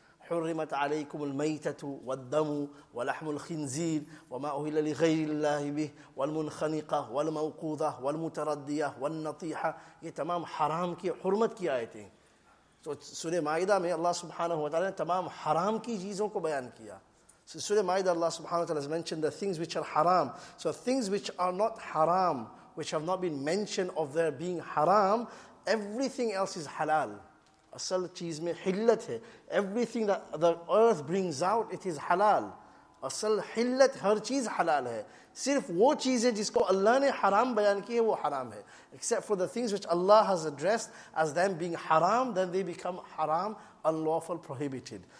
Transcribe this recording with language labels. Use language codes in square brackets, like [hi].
[ar] حرمت عليكم الميتة والدم ولحم الخنزير وما أهل لغير الله به والمنخنقة والموقوذة والمتردية والنطيحة. [ur] یہ تمام حرام کی حرمت کی آیتیں. تو سورہ مائدہ میں اللہ سبحانہ وتعالی نے تمام حرام کی چیزوں کو بیان کیا. [en] So Surah Maidah Allah سبحانہ وتعالی has mentioned the things which are haram. So things which are not haram, which have not been mentioned of their being haram, everything else is halal. [ur] اصل چیز میں حلت ہے. [en] Everything that the earth brings out, it is halal. [ur] اصل حلت ہر چیز حلال ہے. صرف وہ چیزیں جس کو اللہ نے حرام بیان کی ہے وہ حرام ہے. [en] Except for the things which Allah has addressed as them being haram, then they become haram, unlawful, prohibited.